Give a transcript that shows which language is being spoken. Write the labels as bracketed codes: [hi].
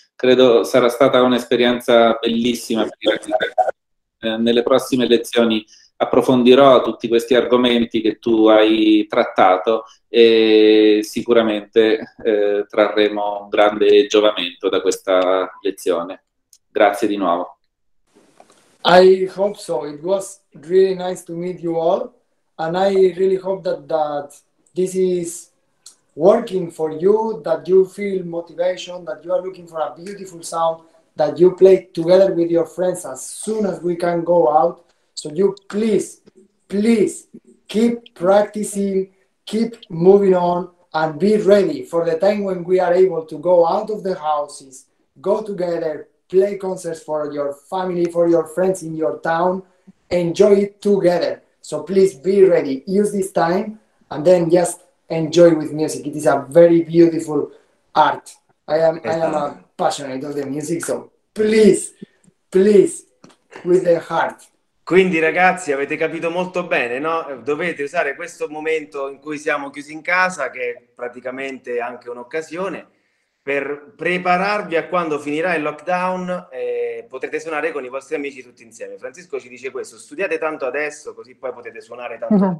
[it] Credo sarà stata un'esperienza bellissima. Nelle prossime lezioni approfondirò tutti questi argomenti che tu hai trattato e sicuramente trarremo un grande giovamento da questa lezione. Grazie di nuovo. [en] I hope so. It was really nice to meet you all. And I really hope that this is working for you, that you feel motivation, that you are looking for a beautiful sound, that you play together with your friends as soon as we can go out. So you please, please keep practicing, keep moving on, and be ready for the time when we are able to go out of the houses, go together, play concerts for your family, for your friends in your town, enjoy it together. So please be ready, use this time, and then just enjoy with music. It is a very beautiful art. I am a passionate of the music, so please, please, with the heart. [it] Quindi ragazzi, avete capito molto bene, no? Dovete usare questo momento in cui siamo chiusi in casa, che è praticamente anche un'occasione, per prepararvi a quando finirà il lockdown e potrete suonare con i vostri amici tutti insieme. Francisco ci dice questo, studiate tanto adesso, così poi potete suonare tanto.